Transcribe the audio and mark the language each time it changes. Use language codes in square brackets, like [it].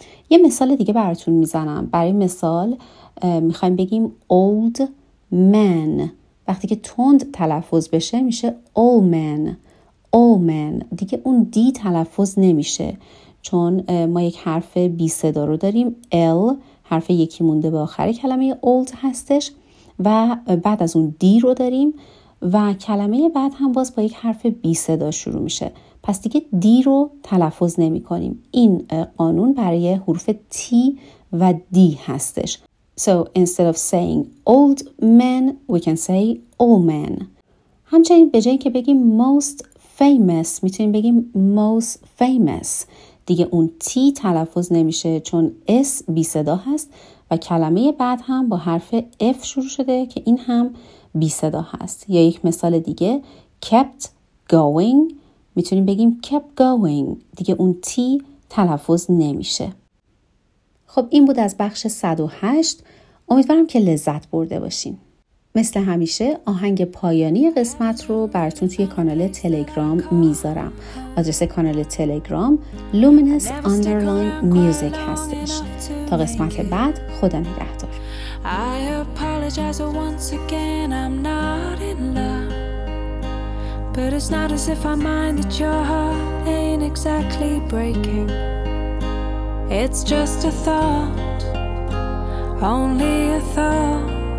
[fa] یه مثال دیگه براتون میزنم. برای مثال میخوایم بگیم old man، وقتی که تند تلفظ بشه میشه old man، دیگه اون دی تلفظ نمیشه چون ما یک حرف بی صدا رو داریم، ال حرف یکی مونده به آخر کلمه old هستش و بعد از اون دی رو داریم و کلمه بعد هم باز با یک حرف بی صدا شروع میشه، پس دیگه دی رو تلفظ نمی کنیم. این قانون برای حروف تی و دی هستش. [en] So instead of saying old man we can say old man. [fa] همچنین به جای این که بگیم most famous میتونیم بگیم most famous، دیگه اون تی تلفظ نمیشه چون اس بی صدا هست و کلمه بعد هم با حرف اف شروع شده که این هم بی صدا هست. یا یک مثال دیگه kept going میتونیم بگیم kept going، دیگه اون تی تلفظ نمیشه. خب این بود از بخش 108. امیدوارم که لذت برده باشین. مثل همیشه آهنگ پایانی قسمت رو براتون توی کانال تلگرام میذارم. آدرس کانال تلگرام luminous_music هستش. تا قسمت بعد خدا نگهدار. [en] I apologize once again, I'm not in love. But it's not as if I mind that your heart ain't exactly breaking. It's just a thought, only a thought.